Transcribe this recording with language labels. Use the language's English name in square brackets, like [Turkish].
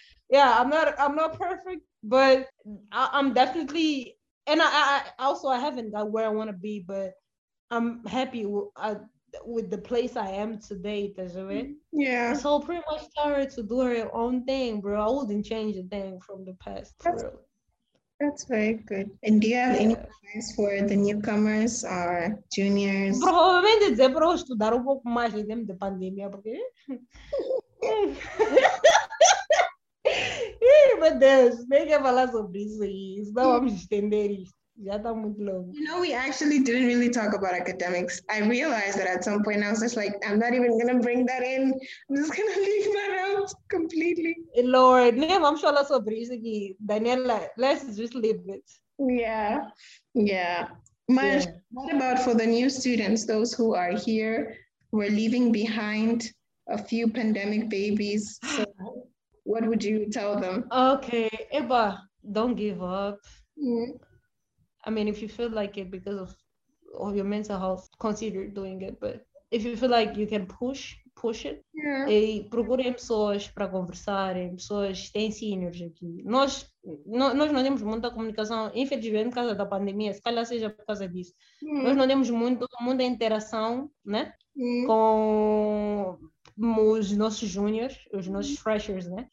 [English] Yeah, I'm not perfect, but I'm definitely, and I haven't got where I want to be, but I'm happy with the place I am today, Tazuwe. Yeah. So pretty much tell her to do her own thing, bro. I wouldn't change a thing from the past. That's very good. And do you have any advice for the newcomers or juniors? [Portuguese] Provavelmente dizer para eu estudar um pouco mais em tempo de pandemia, porque... Ih, meu Deus, nem quer falar sobre isso aí. Senão vamos estender isso. Já está muito longo. [English] You know, we actually didn't really talk about academics. I realized that at some point I was just like, I'm not even going to bring that in. I'm just going to leave that out completely. [Portuguese] Lord, nem vamos falar sobre isso aqui. Daniela, [English] let's just leave it. Yeah. Mas, what about for the new students, those who are here, who are leaving behind a few pandemic babies? So what would you tell them? Okay, Eva, don't give up. I mean, if you feel like it because of your mental health, consider doing it. But if you feel like you can push it. Yeah. [Portuguese] E procurem pessoas para conversarem, pessoas que têm seniors aqui. Nós não temos muita comunicação, infelizmente, por causa da pandemia, se calhar seja por causa disso. Mm. Nós não temos muita interação, né? Com os nossos juniors, os nossos freshers, né?